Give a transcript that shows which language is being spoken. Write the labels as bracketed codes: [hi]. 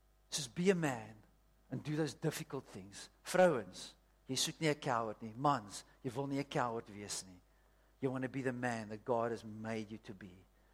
[en] Just be a man and do those difficult things. [af] Vrouens, jy soek nie 'n coward nie. Mans, jy wil nie 'n coward wees nie. [en] You want to be the man that God has made you to be.